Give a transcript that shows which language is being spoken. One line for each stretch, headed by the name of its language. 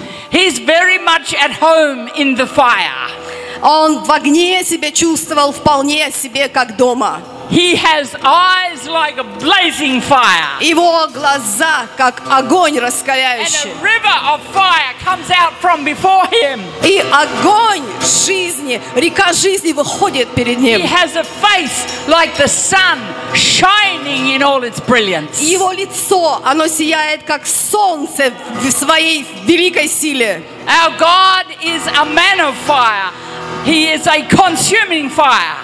English: He's very much at home in the fire.
Russian: Он в огне себя чувствовал вполне себе как дома.
English: He has eyes like a blazing fire.
Russian: Его глаза как огонь раскаляющий.
English: And a river of fire comes out from before him.
Russian: И огонь жизни, река жизни выходит перед ним.
English: He has a face like the sun shining in all its brilliance.
Russian: Его лицо, оно сияет как солнце в своей великой силе.
English: Our God is a man of fire. He is a consuming fire.